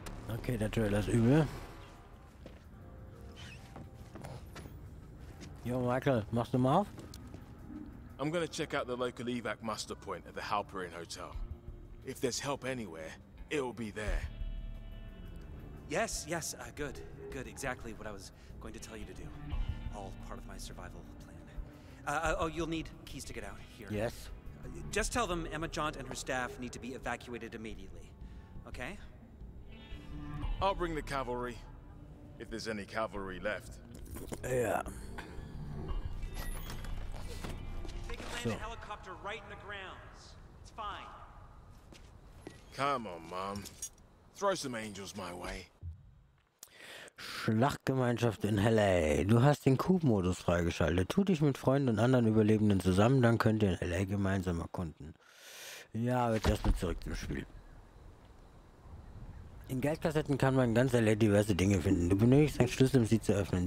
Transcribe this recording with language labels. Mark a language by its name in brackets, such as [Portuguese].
[German] Okay, der Trailer ist übel. Yo, Michael, machst du mal auf? [English] I'm gonna check out the local evac muster point at the Halperin Hotel. If there's help anywhere, it'll be there. Yes, yes, good. Good, exactly what I was going to tell you to do. All part of my survival plan. You'll need keys to get out here. Yes. Just tell them Emma Jaunt and her staff need to be evacuated immediately. Okay? I'll bring the cavalry. If there's any cavalry left. Yeah. They can land a helicopter right in the grounds. It's fine. Come on, Mom. Throw some angels my way. [German] Schlachtgemeinschaft in L.A. Du hast den Coop-Modus freigeschaltet. Tu dich mit Freunden und anderen Überlebenden zusammen, dann könnt ihr in L.A. gemeinsam erkunden. Ja, jetzt erstmal zurück zum Spiel. In Geldkassetten kann man in ganz L.A. diverse Dinge finden. Du benötigst einen Schlüssel, um sie zu öffnen.